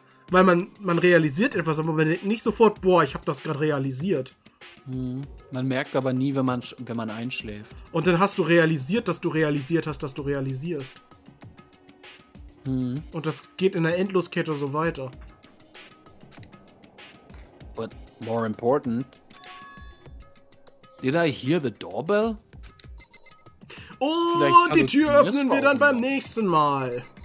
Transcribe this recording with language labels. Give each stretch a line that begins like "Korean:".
German: Weil man realisiert etwas, aber man denkt nicht sofort, boah, ich habe das gerade realisiert. Man merkt aber nie, wenn man einschläft. Und dann hast du realisiert, dass du realisiert hast, dass du realisierst. Und das geht in der Endloskette so weiter.
English: But more important, did I hear the doorbell?
German: Und die Tür öffnen wir dann beim nächsten Mal.